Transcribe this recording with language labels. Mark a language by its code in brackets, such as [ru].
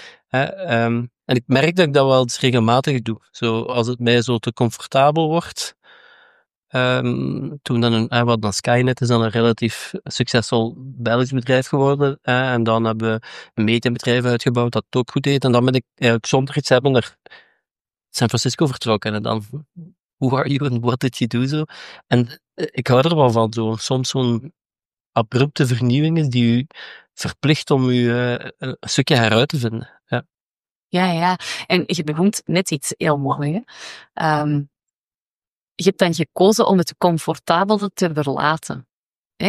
[nl] en ik merk dat ik dat wel eens regelmatig doe. Zo, als het mij zo te comfortabel wordt. Toen dan wat dan Skynet is dan een relatief succesvol Belgisch bedrijf geworden. En dan hebben we een mediabedrijf uitgebouwd dat het ook goed deed. En dan ben ik eigenlijk zonder iets hebben naar San Francisco vertrokken. En dan, [en] who are you and what did you do? [nl] Zo. En ik hou er wel van. Zo. Soms zo'n abrupte vernieuwing is die u verplicht om u een stukje heruit te vinden. Ja, ja. En je benoemt net iets heel mooi. Hè? Je hebt dan gekozen om het comfortabele te verlaten. Hè?